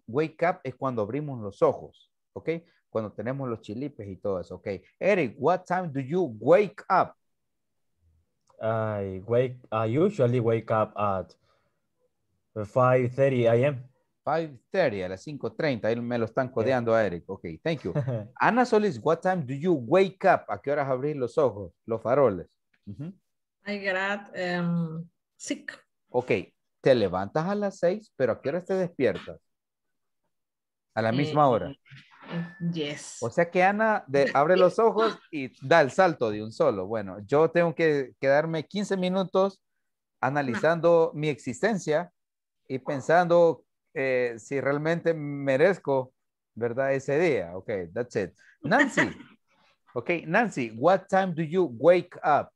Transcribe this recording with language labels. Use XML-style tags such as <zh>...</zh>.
<en>Wake up</en> <es>es cuando abrimos los ojos, ¿ok? Cuando tenemos los chilipes y todo eso, ¿ok?</es> <en>Eric, what time do you wake up? I usually wake up at 5:30 a.m.</en> <es>5:30, a las 5:30, ahí me lo están codeando a Eric.</es> <en>Ok, thank you. Ana Solis, what time do you wake up?</en> <es>¿A qué horas abrís los ojos, los faroles?</es> <en>I get up 6.</en> <es>Ok, te levantas a las 6, pero ¿a qué horas te despiertas? A la misma hora.</es> <en>Yes.</en> <es>O sea que Ana abre los ojos y da el salto de un solo. Bueno, yo tengo que quedarme 15 minutos analizando mi existencia y pensando si realmente merezco, ¿verdad? Ese día.</es> <en>Ok, that's it. Nancy. Ok, Nancy, what time do you wake up?</en>